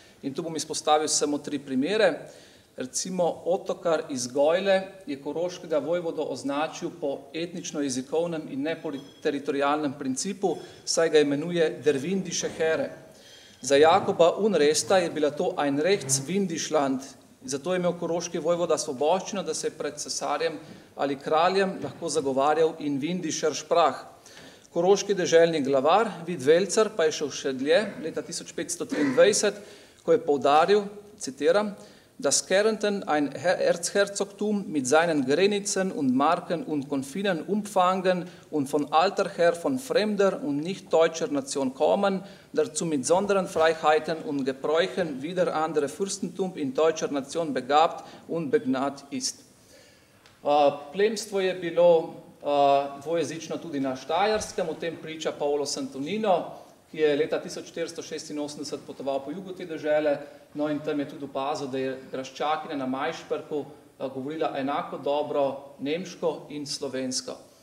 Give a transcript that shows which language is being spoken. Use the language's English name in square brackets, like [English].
[Slovenian] In tu bom izpostavil samo tri primere. Recimo Otokar iz Gojle je koroškega vojvodo označil po etnično-jezikovnem in ne po teritorijalnem principu, saj ga imenuje [German] Dervindische Here. [Slovenian] Za Jakoba Unresta je bila to [German] Einrechts Windischland, [Slovenian] zato je imel koroški vojvoda svoboščino, da se je pred cesarjem ali kraljem lahko zagovarjal in [German] Windischer Sprach. [Slovenian] Koroški deželni glavar, Vid Velcar, pa je šel še dlje, leta 1523, ko je poudaril, citiram, [German] Das Kärnten ein Erzherzogtum mit seinen Grenzen und Marken und Konfinen umfangen und von alter her von fremder und nicht deutscher Nation kommen, dazu mit besonderen Freiheiten und Gebräuchen wieder andere Fürstentum in deutscher Nation begabt und begnat ist. [Slovenian] Plemstvo je bilo dvojezično tudi na Štajerskem, o tem priča Paolo Santonino, ki je leta 1486 potoval po jugu te dežele, no in tam je tudi opazil, da je graščakinja na Majšperku govorila enako dobro nemško in slovensko.